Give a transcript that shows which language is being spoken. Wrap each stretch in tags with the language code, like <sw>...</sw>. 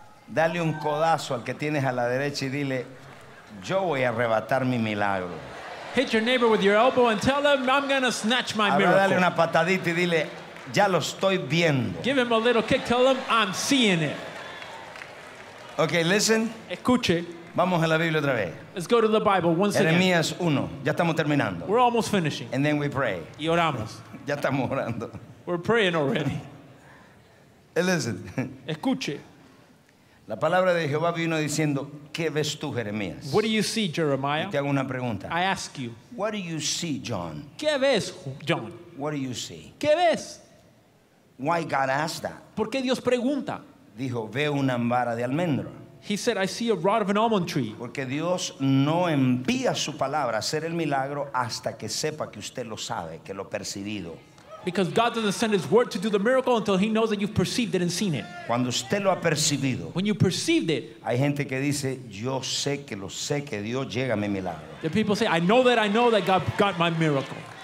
<es>Dale un codazo al que tienes a la derecha y dile, yo voy a arrebatar mi milagro.</es> <en>Hit your neighbor with your elbow and tell him, I'm going to snatch my miracle.</en> <es>Ahora dale una patadita y dile, ya lo estoy viendo.</es> <en>Give him a little kick, tell him, I'm seeing it. Okay, listen.</en> <es>Escuche. Vamos a la Biblia otra vez.</es> <en>Let's go to the Bible once again.</en> <es>Jeremías 1, ya estamos terminando.</es> <en>We're almost finishing. And then we pray.</en> <es>Y oramos. Ya estamos orando.</es> <en>We're praying already. Listen.</en> <es>Escuche. La palabra de Jehová vino diciendo, ¿qué ves tú, Jeremías?</es> <en>What do you see, Jeremiah?</en> <es>Y te hago una pregunta.</es> <en>I ask you. What do you see, John?</en> <es>¿Qué ves, John?</es> <en>What do you see?</en> <es>¿Qué ves?</es> <en>Why God asked that?</en> <es>¿Por qué Dios pregunta? Dijo, ve una vara de almendro.</es> <en>He said, I see a rod of an almond tree.</en> <es>Porque Dios no envía su palabra a hacer el milagro hasta que sepa que usted lo sabe, que lo ha percibido.</es> <en>Because God doesn't send his word to do the miracle until he knows that you've perceived it and seen it.</en> <es>Cuando usted lo ha percibido.</es> <en>When you perceived it.</en> <es>Hay gente que dice, yo sé que lo sé, que Dios llega a mi milagro.</es> <en>The people say, I know that God got my miracle.</en>